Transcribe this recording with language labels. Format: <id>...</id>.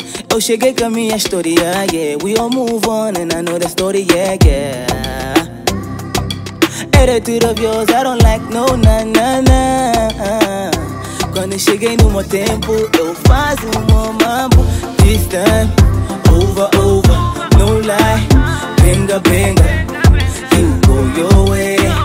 <pt>Eu cheguei com a minha história, yeah.</pt> <en>We all move on and I know the story, yeah. Attitude of yours, I don't like, no, na.</en> <pt>Quando cheguei no meu tempo, eu faz o meu mambo.</pt> <en>This time, over, no lie. Benga, you go your way.</en>